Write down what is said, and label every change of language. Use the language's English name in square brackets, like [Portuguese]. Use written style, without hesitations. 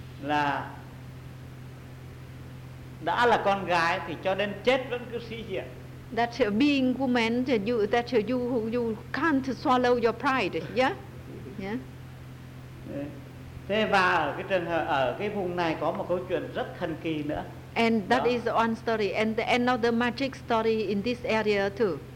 [Vietnamese] Là đã là con gái thì cho đến chết vẫn cứ sĩ diện. [English] That being woman, you can't swallow your pride. Yeah. Yeah. [Vietnamese] Thế và ở cái vùng này có một câu chuyện rất thần kỳ nữa. [English] And that is one story. And another magic story in this area too.